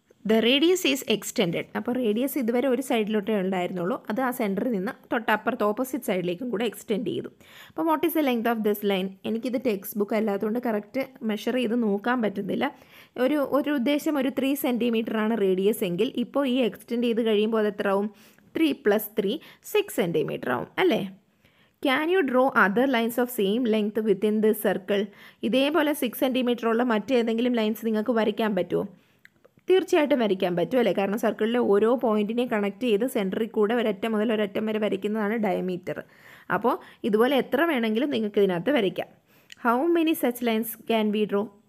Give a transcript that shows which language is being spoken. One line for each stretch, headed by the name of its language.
English: The radius is extend.
Malayalam: അപ്പോൾ radius ഇതുവരെ ഒരു സൈഡിലോട്ടേ ഉണ്ടായിരുന്നുള്ളൂ, അത് ആ സെൻറ്ററിൽ നിന്ന് തൊട്ട് അപ്പുറത്ത് ഓപ്പോസിറ്റ് സൈഡിലേക്കും കൂടെ എക്സ്റ്റെൻഡ് ചെയ്തു. അപ്പോൾ
English: What is the length of this line?
Malayalam: എനിക്കിത് ടെക്സ്റ്റ് ബുക്ക് അല്ലാത്തതുകൊണ്ട് കറക്റ്റ് മെഷർ ചെയ്ത് നോക്കാൻ പറ്റുന്നില്ല. ഒരു ഉദ്ദേശം ഒരു 3 cm ആണ് റേഡിയസ് എങ്കിൽ ഇപ്പോൾ ഈ എക്സ്റ്റെൻഡ് ചെയ്ത് കഴിയുമ്പോൾ അത് എത്ര ആവും? 3 + 3 = 6 cm ആവും അല്ലേ.
English: Can you draw other lines of same length within this circle?
Malayalam: ഇതേപോലെ 6 cm ഉള്ള മറ്റേതെങ്കിലും ലൈൻസ് നിങ്ങൾക്ക് വരയ്ക്കാൻ പറ്റുമോ? തീർച്ചയായിട്ടും വരയ്ക്കാൻ പറ്റും അല്ലേ, കാരണം സർക്കിളിലെ ഓരോ പോയിൻറ്റിനെയും കണക്ട് ചെയ്ത് സെൻറ്ററിൽ കൂടെ ഒരറ്റം മുതൽ ഒരറ്റം വരെ വരയ്ക്കുന്നതാണ് ഡയമീറ്റർ. അപ്പോൾ ഇതുപോലെ എത്ര വേണമെങ്കിലും നിങ്ങൾക്ക് ഇതിനകത്ത് വരയ്ക്കാം.
English: How many such lines can we draw?